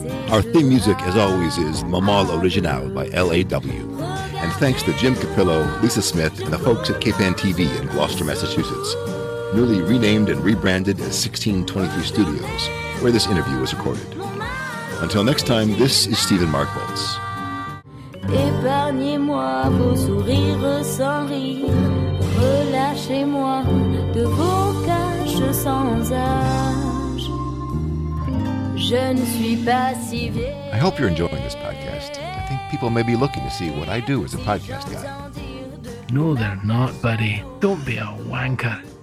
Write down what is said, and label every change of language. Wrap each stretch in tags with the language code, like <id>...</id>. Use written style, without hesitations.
<en>Our theme music, as always, is Maman Original by L.A.W. And thanks to Jim Capillo, Lisa Smith, and the folks at KPAN TV in Gloucester, Massachusetts, newly renamed and rebranded as 1623 Studios, where this interview was recorded. Until next time, this is Stephen Mark Boltz.</en> <fr>Épargnez-moi vos sourires sans rire, relâchez-moi de vos caches sans âge. Je ne suis pas si vieille.</fr> <en>I hope you're enjoying this podcast. I think people may be looking to see what I do as a podcast guy. No, they're not, buddy. Don't be a wanker.</en>